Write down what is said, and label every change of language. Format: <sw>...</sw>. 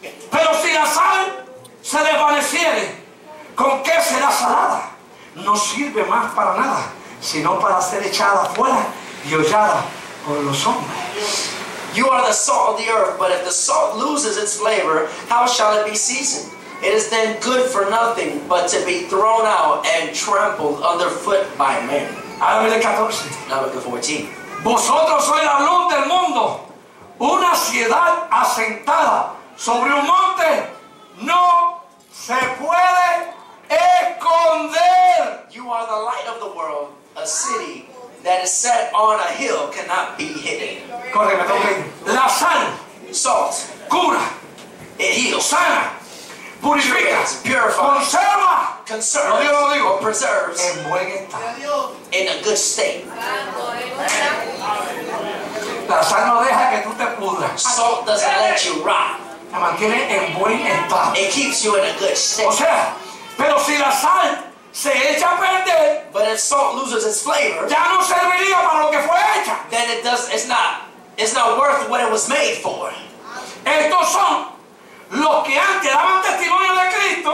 <es>Pero si la sal se desvaneciere, ¿con qué será salada? No sirve más para nada, sino para ser echada afuera y hollada por los hombres.</es> <en>You are the salt of the earth, but if the salt loses its flavor, how shall it be seasoned? It is then good for nothing but to be thrown out and trampled underfoot by men.</en> <es>Ahora mire 14.</es> <en>Now look at 14.</en> <es>Vosotros sois la luz del mundo. Una ciudad asentada sobre un monte no se puede esconder.</es> <en>You are the light of the world, a city that is set on a hill cannot be hidden.</en> <es>Correme, correme. La sal,</es> <en>salt,</en> <es>cura,</es> <en>it heals,</en> <es>sana, purifica,</es> <en>purifies,</en> <es>conserva,</es> <en>conserves,</en> <es>lo digo, lo digo.</es> <en>Preserves,</en> <es>en buen estado,</es> <en>in a good state.</en> <es>La sal no deja que tú te pudras.</es> <en>Salt doesn't let you rot.</en> <es>La mantiene en buen estado.</es> <en>It keeps you in a good state.</en> <es>O sea, pero si la sal se echa a perder,</es> <en>but if salt loses its flavor,</en> <es>ya no serviría para lo que fue hecha.</es> <en>Then it does, it's not worth what it was made for.</en> <es>Estos son los que antes daban testimonio de Cristo.</es>